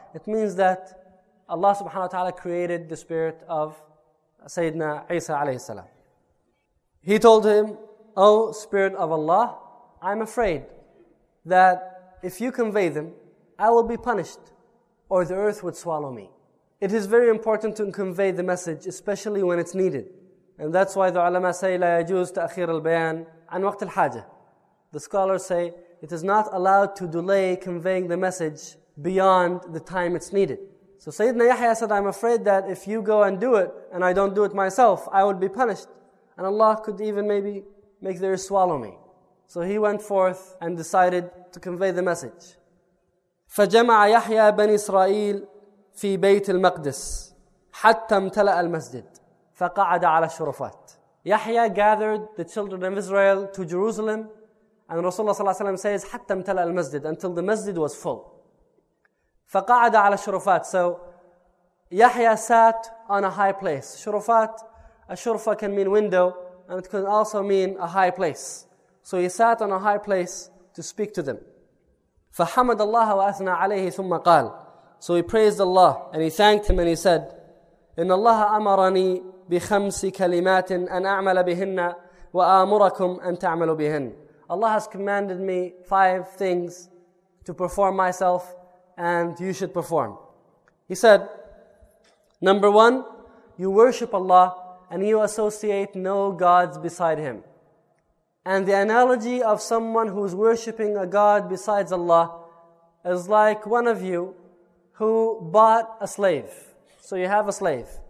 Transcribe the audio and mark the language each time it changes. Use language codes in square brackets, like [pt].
[en] It means that Allah subhanahu wa ta'ala created the Spirit of Sayyidina Isa alayhi salam. He told him, Oh, Spirit of Allah, I'm afraid that if you convey them, I will be punished or the earth would swallow me. It is very important to convey the message, especially when it's needed. And that's why the ulama say, [ar] لا يجوز تأخير البيان عن وقت الحاجة. [en] The scholars say, it is not allowed to delay conveying the message beyond the time it's needed. So Sayyidina Yahya said, I'm afraid that if you go and do it, and I don't do it myself, I would be punished. And Allah could even maybe make the earth swallow me. So he went forth and decided to convey the message. [ar] فَجَمَعَ يَحْيَى بَنِي إِسْرَائِيلَ فِي بَيْتِ الْمَقْدِسِ حَتَّى امْتَلَأَ الْمَسْجِدِ فَقَعَدَ عَلَى الشُّرُفَاتِ. [en] Yahya gathered the children of Israel to Jerusalem, and Rasulullah sallallahu alayhi wa sallam says, [ar] حَتَّى امْتَلَأَ الْمَسْجِدِ, [en] until the masjid was full. [ar] فَقَعَدَ عَلَى الشُّرُفَاتِ. [en] So Yahya sat on a high place. Shurufat, a shurfa can mean window, and it can also mean a high place. So he sat on a high place to speak to them. [ar] فَحَمَدَ اللَّهَ وَأَثْنَى عَلَيْهِ ثُمَّ قَالَ. [en] So he praised Allah and he thanked him and he said, [ar] إِنَّ اللَّهَ أَمَرَنِي بِخَمْسِ كَلِمَاتٍ أَنْ أَعْمَلَ بِهِنَّ وَآمُرَكُمْ أَنْ تَعْمَلُوا بِهِنَّ. [en] Allah has commanded me 5 things to perform myself and you should perform. He said, number 1, you worship Allah and you associate no gods beside him. And the analogy of someone who is worshipping a god besides Allah is like one of you who bought a slave. So you have a slave.